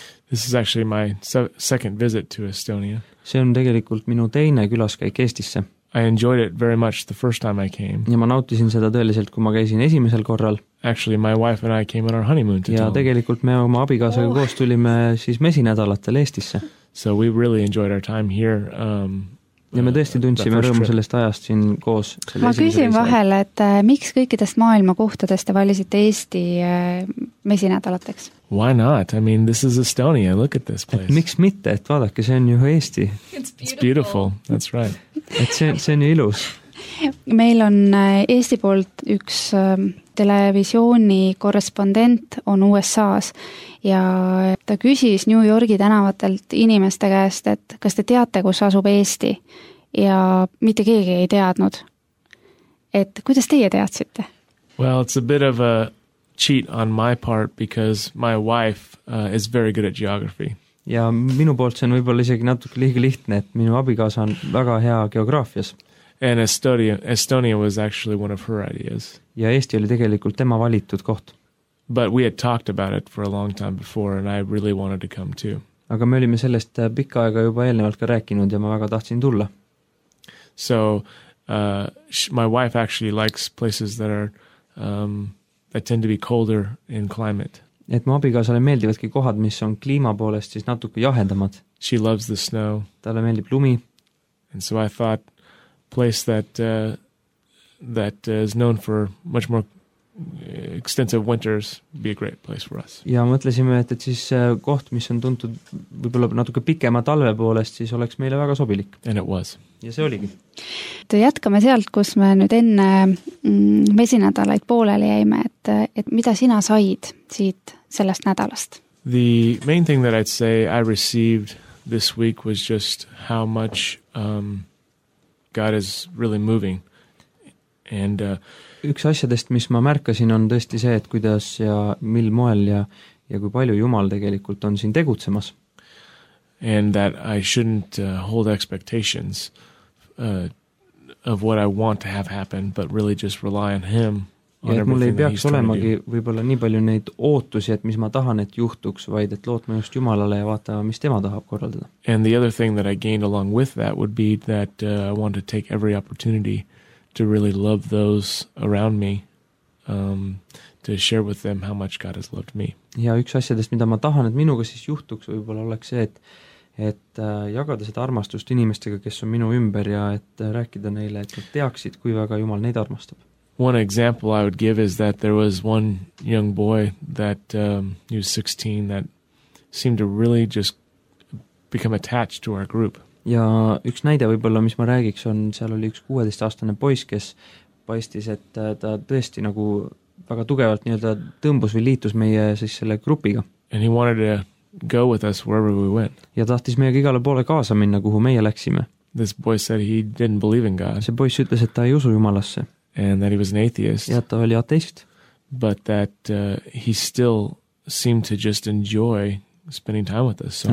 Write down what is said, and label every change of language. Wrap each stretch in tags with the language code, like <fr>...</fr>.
<en>This is actually my second visit to Estonia.</en> <et>See on tegelikult minu teine külaskäik Eestisse.</et> <en>I enjoyed it very much the first time I came.</en> <et>Ja ma nautisin seda tõeliselt, kui ma käisin esimesel korral.</et> <en>Actually, my wife and I came on our honeymoon to</en> <et>Ja tegelikult me oma abikaasaga koos tulime siis mesinädalatel Eestisse.</et> <en>So we really enjoyed our time here.</en> <et>Ja me tõesti tundsime rõõmu sellest ajast siin koos. Ma küsin vahel, et miks kõikidest maailma kohtadest te valisite Eesti mesinädalateks?</et> <en>Why not? I mean, this is Estonia. Look at this place.</en> <et>Et miks mitte? Et vaadake, see on ju Eesti.</et> <en>It's beautiful. That's right.</en> <et>Et see on ju ilus. Meil on Eesti poolt üks televisiooni korrespondent on USA's ja ta küsis New Yorki tänavatelt inimeste käest, et kas te teate, kus asub Eesti ja mitte keegi ei teadnud. Et kuidas teie teadsite?</et> <en>Well, it's a bit of a cheat on my part because my wife is very good at geography.</en> <et>Ja minu poolt see on võib-olla isegi natuke liiga lihtne, et minu abikaas on väga hea geograafias.</et> <en>And Estonia was actually one of her ideas.</en> <et>Ja Eesti oli tegelikult tema valitud koht.</et> <en>But we had talked about it for a long time before and I really wanted to come too.</en> <et>Aga me olime sellest pikka aega juba eelnevalt ka rääkinud ja ma väga tahtsin tulla.</et> <en>So my wife actually likes places that are that tend to be colder in climate.</en> <et>Et ma abikaasale meeldivadki kohad, mis on kliima poolest siis natuke jahendamad.</et> <en>She loves the snow.</en> <et>Talle meeldib lumi.</et> <en>And so I thought place that is known for much more extensive winters be a great place for us.</en> <et>Ja mõtlesime, et siis koht, mis on tuntud võib-olla natuke pikema talve poolest, siis oleks meile väga sobilik.</et> <en>And it was.</en> <et>Ja see oligi. Te jätkame sealt, kus me nüüd enne mesinädalaid pooleli jäime, et mida sina said siit sellest nädalast?</et> <en>The main thing that I'd say I received this week was just how much God is really moving. And</en> <et>üks asjadest, mis ma märkasin, on tõesti see, et kuidas ja mil moel ja kui palju Jumal tegelikult on siin tegutsemas.</et> <en>And that I shouldn't hold expectations of what I want to have happen, but really just rely on him on</en> <et>et mul ei peaks olemagi võib-olla nii palju neid ootusi, et mis ma tahan, et juhtuks, vaid et lootma just Jumalale ja vaatama, mis tema tahab korraldada.</et> <en>And the other thing that I gained along with that would be that I want to take every opportunity to really love those around me, to share with them how much God has loved me.</en> <et>Ja üks asjadest, mida ma tahan, et minuga siis juhtuks, võib-olla oleks see, et jagada seda armastust inimestega, kes on minu ümber ja et rääkida neile, et nad teaksid, kui väga Jumal neid armastab.</et> <en>One example I would give is that there was one young boy that he was 16 that seemed to really just become attached to our group.</en> <et>Ja üks näide võib-olla, mis ma räägiks, on seal oli üks 16-aastane poiss, kes paistis, et ta tõesti nagu väga tugevalt nii-öelda tõmbus või liitus meie siis selle grupiga.</et> <en>And he wanted to go with us wherever we went.</en> <et>Ja tahtis meiega igale poole kaasa minna, kuhu meie läksime.</et> <en>This boy said he didn't believe in God.</en> <et>See poiss ütles, et ta ei usu Jumalasse.</et> <en>And that he was an atheist.</en> <et>Ja ta oli ateist.</et> <en>But that he still seem to just enjoy spending time with us. So</en>